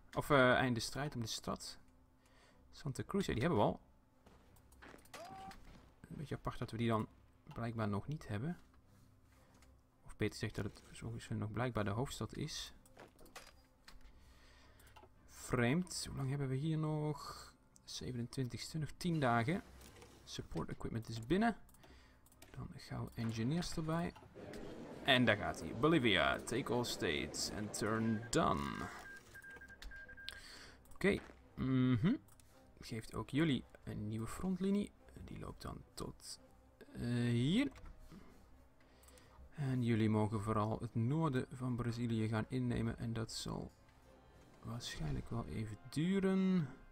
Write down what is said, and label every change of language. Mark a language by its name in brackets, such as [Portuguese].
[Dutch] Of einde strijd om de stad. Santa Cruz. Ja, die hebben we al. Een beetje apart dat we die dan blijkbaar nog niet hebben. Of beter gezegd dat het volgens mij nog blijkbaar de hoofdstad is. Vreemd. Hoe lang hebben we hier nog? 27ste, nog 10 dagen. Support equipment is binnen. Dan gaan we engineers erbij. En daar gaat hij. [English] Bolivia, take all states and turn done. [Dutch] Oké. Mm-hmm. Geeft ook jullie een nieuwe frontlinie. Die loopt dan tot hier. En jullie mogen vooral het noorden van Brazilië gaan innemen. En dat zal waarschijnlijk wel even duren.